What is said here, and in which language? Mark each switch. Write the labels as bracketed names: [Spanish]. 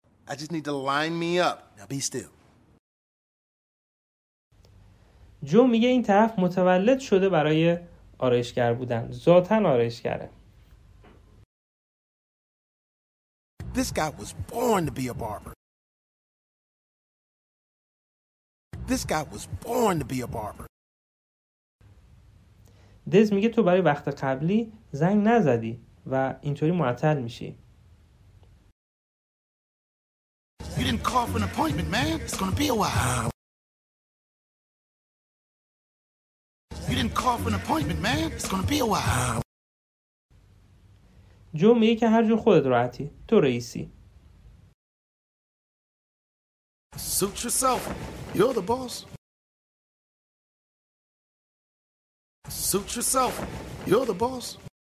[English] I just need to line me up. Now be still. [Persian] جو میگه این طرف متولد شده برای آرایشگر بودن، ذاتاً آرایشگره. [English] This guy was born to be a barber. This guy was born to be a barber. [Persian] دز میگه تو برای وقت قبلی زنگ نزدی و اینطوری معطل میشی. [English] You didn't call for an appointment, man. It's gonna be a while. You didn't call for an appointment, man. It's gonna be a while. [Persian] جو میگه که هر جور خودت راحتی، تو رئیسی. [English] Suit yourself. You're the boss. Suit yourself. You're the boss.